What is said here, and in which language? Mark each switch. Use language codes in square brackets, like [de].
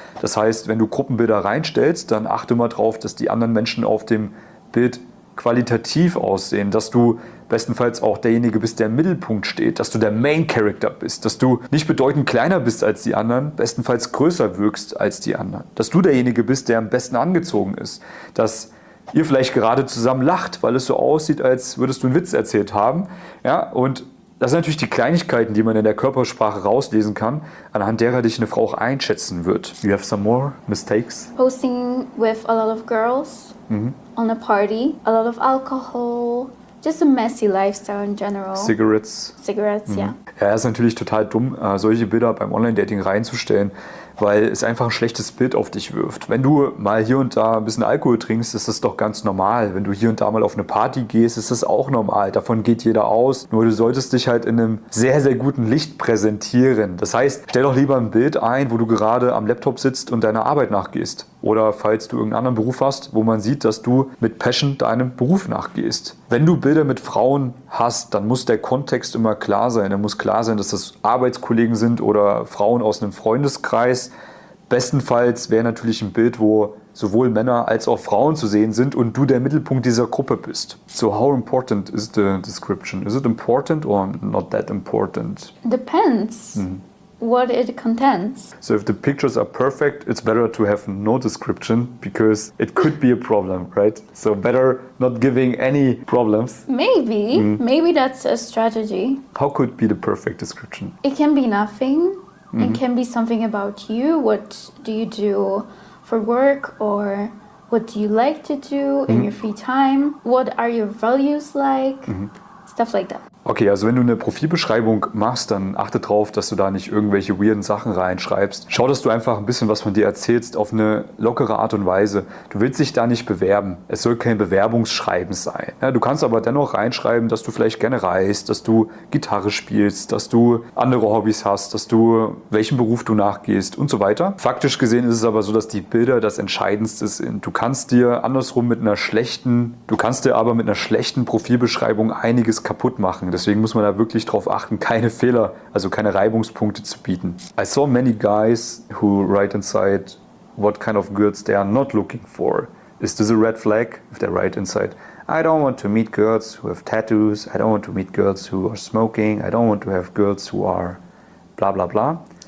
[de] Das heißt, wenn du Gruppenbilder reinstellst, dann achte mal drauf, dass die anderen Menschen auf dem Bild qualitativ aussehen, dass du bestenfalls auch derjenige bist, der im Mittelpunkt steht, dass du der Main Character bist, dass du nicht bedeutend kleiner bist als die anderen, bestenfalls größer wirkst als die anderen, dass du derjenige bist, der am besten angezogen ist, dass ihr vielleicht gerade zusammen lacht, weil es so aussieht, als würdest du einen Witz erzählt haben. Ja, und das sind natürlich die Kleinigkeiten, die man in der Körpersprache rauslesen kann, anhand derer dich eine Frau auch einschätzen wird. [en] You have some more mistakes? Posting with a lot of girls on a party, a lot of alcohol, just a messy lifestyle in general. Cigarettes, yeah. [de] Ja, ist natürlich total dumm, solche Bilder beim Online-Dating reinzustellen, weil es einfach ein schlechtes Bild auf dich wirft. Wenn du mal hier und da ein bisschen Alkohol trinkst, ist das doch ganz normal. Wenn du hier und da mal auf eine Party gehst, ist das auch normal. Davon geht jeder aus. Nur du solltest dich halt in einem sehr, sehr guten Licht präsentieren. Das heißt, stell doch lieber ein Bild ein, wo du gerade am Laptop sitzt und deiner Arbeit nachgehst. Oder falls du irgendeinen anderen Beruf hast, wo man sieht, dass du mit Passion deinem Beruf nachgehst. Wenn du Bilder mit Frauen hast, dann muss der Kontext immer klar sein. Dann muss klar sein, dass das Arbeitskollegen sind oder Frauen aus einem Freundeskreis. Bestenfalls wäre natürlich ein Bild, wo sowohl Männer als auch Frauen zu sehen sind und du der Mittelpunkt dieser Gruppe bist. [en] So how important is the description? Is it important or not that important? Depends. What it contains. So if the pictures are perfect, it's better to have no description because it could be a problem, right? So better not giving any problems. Maybe. Maybe that's a strategy. How could be the perfect description? It can be nothing. It can be something about you. What do you do for work or what do you like to do in your free time? What are your values like? Stuff like that. [de] Okay, also wenn du eine Profilbeschreibung machst, dann achte drauf, dass du da nicht irgendwelche weirden Sachen reinschreibst. Schau, dass du einfach ein bisschen was von dir erzählst auf eine lockere Art und Weise. Du willst dich da nicht bewerben. Es soll kein Bewerbungsschreiben sein. Ja, du kannst aber dennoch reinschreiben, dass du vielleicht gerne reist, dass du Gitarre spielst, dass du andere Hobbys hast, dass du welchen Beruf du nachgehst und so weiter. Faktisch gesehen ist es aber so, dass die Bilder das Entscheidendste sind. Du kannst dir andersrum mit einer schlechten, Profilbeschreibung einiges kaputt machen. Deswegen muss man da wirklich drauf achten, keine Fehler, also keine Reibungspunkte zu bieten. [en] I saw many guys who write inside what kind of girls they are not looking for. Is this a red flag if they write inside? I don't want to meet girls who have tattoos. I don't want to meet girls who are smoking. I don't want to have girls who are blah, blah, blah.